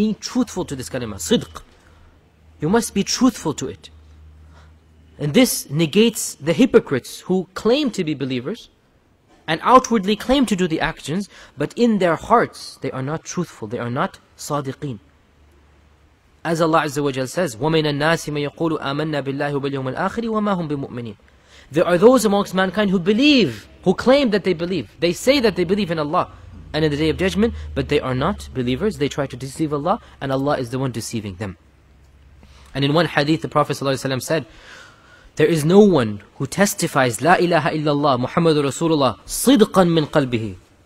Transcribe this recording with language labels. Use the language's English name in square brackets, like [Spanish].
[English] Being truthful to this kalima, sidq. You must be truthful to it. And this negates the hypocrites who claim to be believers and outwardly claim to do the actions, but in their hearts they are not truthful, they are not sadiqeen. As Allah Azza wa Jalla says, [Arabic] وَمِنَ النَّاسِ مَنْ يَقُولُ آمَنَّا بِاللَّهِ وَبِالْيَوْمِ الْآخِرِ وَمَا هُمْ بِمُؤْمِنِينَ. [English] There are those amongst mankind who believe, who claim that they believe. They say that they believe in Allah and in the Day of Judgment, but they are not believers. They try to deceive Allah, and Allah is the one deceiving them. And in one hadith, the Prophet ﷺ said, there is no one who testifies, La ilaha illallah, Muhammadur Rasulullah, [Arabic] صِدْقًا مِنْ قَلْبِهِ.